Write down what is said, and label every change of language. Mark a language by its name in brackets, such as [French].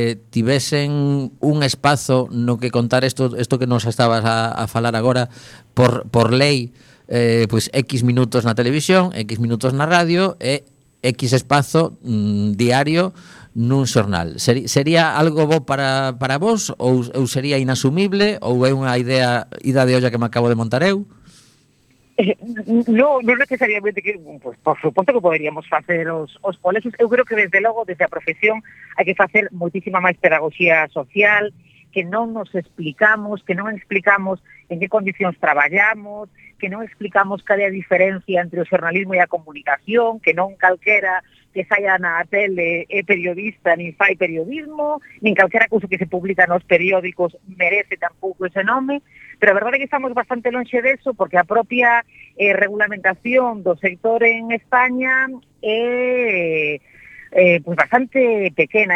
[Galician] tivesen un espazo no que contar isto que nos estabas a falar agora por lei, pois X minutos na televisión, X minutos na radio e X espazo diario nun xornal. Sería algo bo para vos ou sería inasumible ou é unha idea ida de olla que me acabo de montar eu? [Spanish] No necesariamente, que pues, por supuesto que poderíamos hacer os colegios. Yo creo que desde luego, desde la profesión, hay que hacer muchísima más pedagogía social, que no nos explicamos, que no explicamos en qué condiciones trabajamos, que no explicamos cuál es la diferencia entre el jornalismo y la comunicación, que no cualquiera que salga en la tele es periodista, ni fai periodismo, ni cualquiera cosa que se publica en los periódicos merece tampoco ese nombre. [Galician] Pero a verdade é que estamos bastante lonxe de eso, porque a propia regulamentación do sector en España é pues bastante pequena.